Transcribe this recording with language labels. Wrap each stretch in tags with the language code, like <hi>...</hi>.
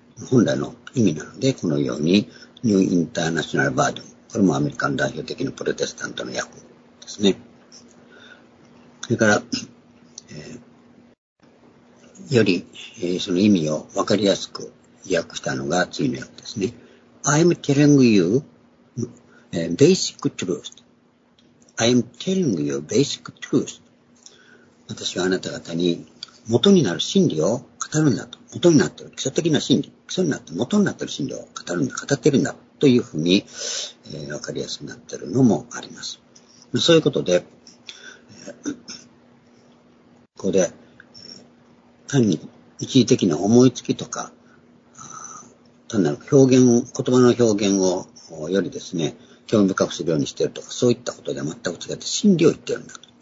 <ja>本来の意味なので、このように、ニューインターナショナルバージョン。これもアメリカの代表的なプロテスタントの訳ですね。それから、より、その意味を分かりやすく訳したのが次の訳ですね。</ja> <en>I'm telling you basic truth. I'm telling you basic truth.</en> <ja>私はあなた方に、元になる真理を語るんだと。元になっている。基礎的な真理。基礎になって、元になっている真理を語るんだ。語っているんだ。というふうに、わかりやすくなっているのもあります。そういうことで、ここで、単に一時的な思いつきとか、単なる表現、言葉の表現をよりですね、興味深くするようにしているとか、そういったことでは全く違って、真理を言っているんだと。</ja>